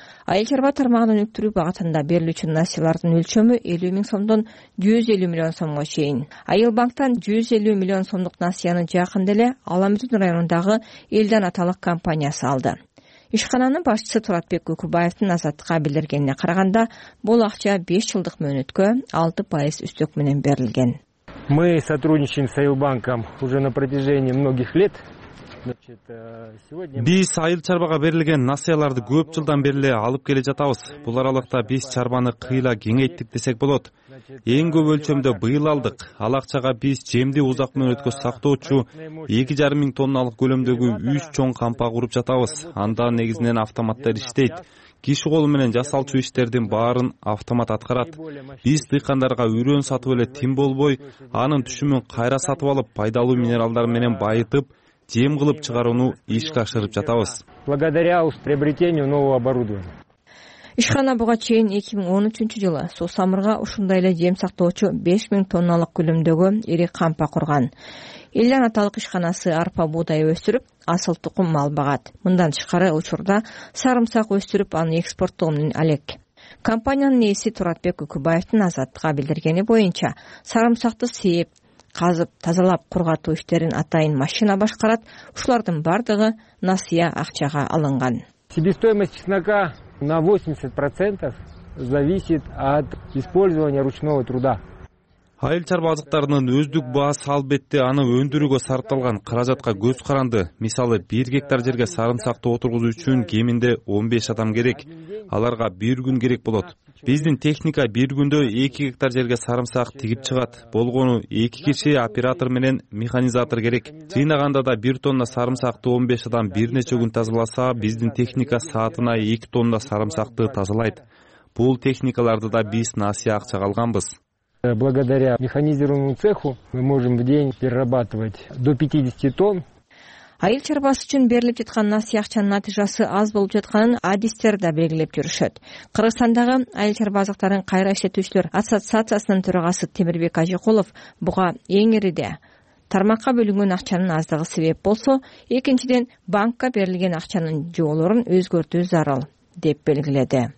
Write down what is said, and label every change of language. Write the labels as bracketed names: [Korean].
[Kyrgyz] Айыл чарба тармагын өнүктүрүү багытында берилүүчү насиялардын өлчөмү 50,000 сомдон 150,000 сомго чейин. Айыл банктан 150,000 сомдук насияны жакында эле Аламүрдүн районундагы Элден аталык компаниясы алды. Ишкананын башчысы Туратбек Көкөбаевдин Азаттыкка билдиргенине караганда, бул акча 5 жылдык мөөнөткө 6% үстөк менен берилген. [Russian] Мы сотрудничаем с Айылбанком уже на протяжении многих лет. [Kyrgyz] Биз айыл чарбага берилген насияларды көп жылдан бери эле алып келе жатабыз. Бул аралыкта биз чарбаны кыйла кеңейттик десек болот. Эң көп өлчөмдө быйыл алдык. Ал акчага биз жемди узак мөөнөткө сактоочу 2,500 тонналык көлөмдөгү 3 чоң кампа куруп жатабыз. Анда негизинен автоматтар иштейт. Киши колу менен жасалчу иштердин баарын автомат аткарат. Биз дыйкандарга үрөн сатып эле тим болбой, анын түшүмүн кайра сатып алып, пайдалуу минералдар менен байытып, жем кылып чыгарууну ишке ашырып жатабыз. [Russian] Благодаря приобретению нового оборудования. [Kyrgyz] Ишкана буга чейин 2013 жылы Сусамырга ушундай эле жем сактоочу 5000 тонналык көлөмдөгү ири кампа курган. Элден аталык ишканасы арпа буудай өстүрүп, асыл тукум мал багат. Мындан тышкары учурда сарымсак өстүрүп, аны экспорттоо менен алек. Компаниянын ээси Туратбек Көкөбаевдин Азаттыкка билдиргени боюнча, сарымсакты сээп, казып, тазалап, кургатуу иштерин атайын машина башкарат. Ушулардын бардыгы насыя акчага алынган. [Russian] Себестоимость чеснока на 80% зависит от использования ручного труда. [Kyrgyz] Айыл чарба азыктарынын өздүк баасы албетте аны өндүрүүгө сарпталган каражатка көз каранды. Мисалы, 1 гектар жерге сарымсакты отургузуу үчүн кеминде 15 адам керек. Аларга 1 күн керек болот. Биздин техника 1 күндө 2 гектар жерге сарымсак тигип чыгат. Болгону 2 киши оператор менен механизатор керек. Жыйнаганда да 1 тонна сарымсакты 15 адам бир нече күн тазаласа, биздин техника саатына 2 тонна сарымсакты тазалайт. Бул техникаларды да биз насыя акчага алганбыз. [Russian] Благодаря механизированному цеху мы можем в день перерабатывать до 50 тонн. [Kyrgyz] Айыл чарбасы үчүн берилип жаткан насыя акчанын натыйжасы аз болуп жатканын адистер да белгилеп жүрүшөт. Кыргызстандагы айыл чарба азыктарын кайра иштетүүчүлөр ассоциациясынын төрагасы Темирбек Ажыкулов буга эң ириде тармакка бөлүнгөн акчанын аздыгы себеп болсо, экинчиден банкка берилген акчанын жолорун өзгөртүү зарыл деп белгиледи.